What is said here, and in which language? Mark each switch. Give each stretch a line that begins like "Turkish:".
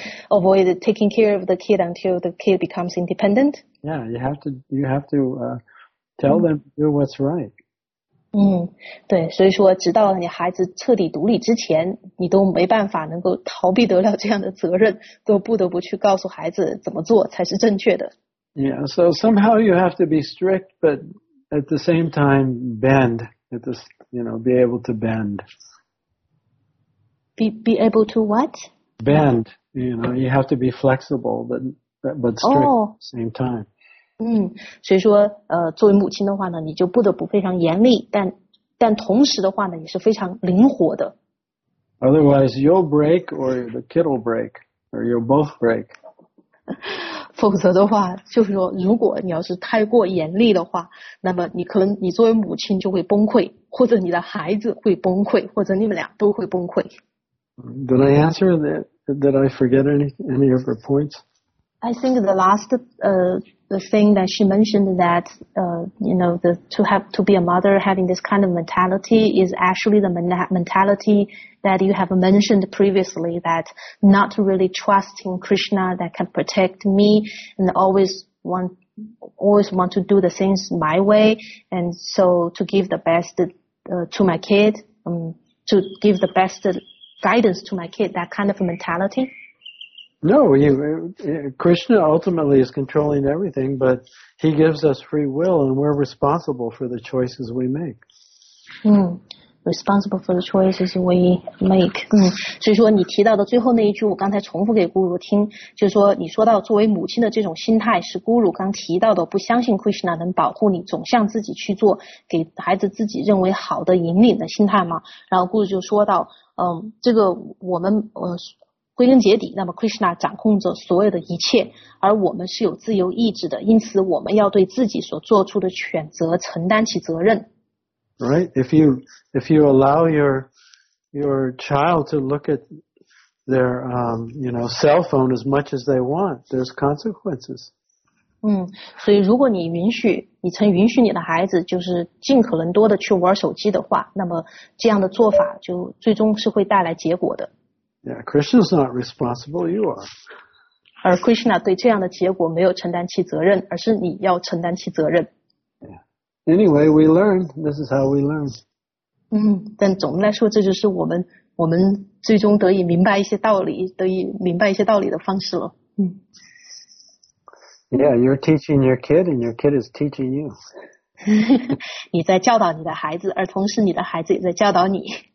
English: Avoid taking care of the kid until the kid becomes independent. Yeah, you have to tell them to do what's right.
Chinese: 对，所以说直到你孩子彻底独立之前，你都没办法能够逃避得了这样的责任，都不得不去告诉孩子怎么做才是正确的。
English: Yeah, so somehow you have to be strict, but at the same time bend, you know, be able to bend. be able to what? Bend. You know, you have to be flexible, but strict at the same time.
Chinese: 所以说作为母亲的话呢，你就不得不非常严厉，但同时的话呢，也是非常灵活的。
English: Otherwise, you'll break, or the kid will break, or you'll both break.
Chinese: 否则的话，就是说，如果你要是太过严厉的话，那么你可能你作为母亲就会崩溃，或者你的孩子会崩溃，或者你们俩都会崩溃。
English: Did I answer that? Did I forget any of her points? I think the last the thing that she mentioned that you know to be a mother having this kind of mentality is actually the mentality that you have mentioned previously, that not really trusting Krishna that can protect me and always want to do the things my way, and so to give the best to my kid, to give the best guidance to my kid, that kind of mentality. No, Krishna ultimately is controlling everything, but he gives us free will, and we're responsible for the choices we make. Responsible for the choices we make.
Chinese: 所以说你提到的最后那一句，我刚才重复给咕噜听，就是说你说到作为母亲的这种心态是咕噜刚提到的，不相信 Krishna 能保护你，总向自己去做给孩子自己认为好的引领的心态嘛。然后咕噜就说到，这个我们归根结底，那么 Krishna 掌控着所有的一切，而我们是有自由意志的，因此我们要对自己所做出的选择承担起责任。
English: Right? If you allow your child to look at their cell phone as much as they want, there's consequences.
Chinese: 所以如果你允许，你曾允许你的孩子就是尽可能多的去玩手机的话，那么这样的做法就最终是会带来结果的。
English: Yeah, Krishna's not responsible, you are.
Chinese: 而 Krishna 对这样的结果没有承担起责任，而是你要承担起责任。
English: Yeah. Anyway, we learn. This is how we learn.
Chinese: 但总的来说，这就是我们最终得以明白一些道理，得以明白一些道理的方式了。
English: Yeah, you're teaching your kid, and your kid is teaching you.
Chinese: 你在教导你的孩子，而同时你的孩子也在教导你。